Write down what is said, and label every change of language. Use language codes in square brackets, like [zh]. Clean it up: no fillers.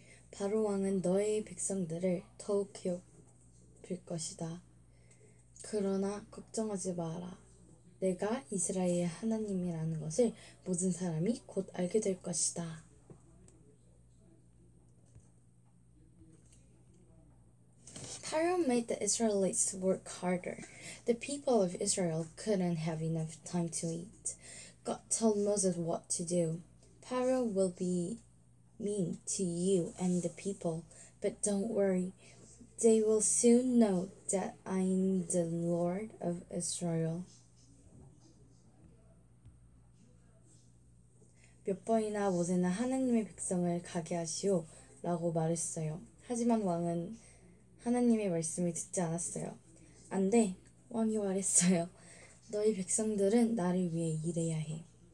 [ko] 바로 왕은 너의 백성들을 더욱 괴롭힐 것이다. 그러나 걱정하지 마라. 내가 이스라엘의 하나님이라는 것을 모든 사람이 곧 알게 될 것이다. [en] Pharaoh made the Israelites work harder. The people of Israel couldn't have enough time to eat. God told Moses what to do. Pharaoh will be mean to you and the people, but don't worry. They will soon know that I'm the Lord of Israel. [ko] 몇 번이나 모세는 하나님의 백성을 가게 하시오 라고 말했어요. 하지만 왕은 하나님의 말씀을 듣지 않았어요. 안 돼, 왕이 말했어요. 너희 백성들은 나를 위해 일해야 해.